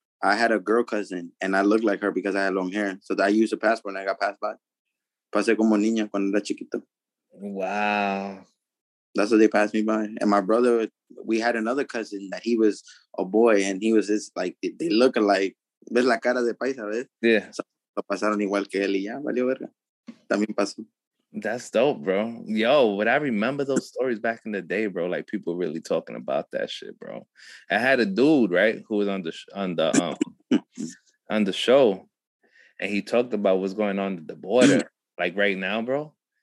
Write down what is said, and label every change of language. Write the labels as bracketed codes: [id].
[en] I had a girl cousin, and I looked like her because I had long hair. So I used a passport, and I got passed by. [es] Pasé como niña cuando era chiquito. [en] Wow. That's what they passed me by. And my brother, we had another cousin that he was a boy, and he was just like, they look alike. [es] ¿Ves la cara de paisa, ves? [en] Yeah. So [es] La pasaron igual que él y ya, valió verga. También pasó. [en] That's dope, bro. Yo, but I remember those stories back in the day, bro. Like, people really talking about that shit, bro. I had a dude, right, who was on the on the show, and he talked about what's going on at the border, like, right now, bro.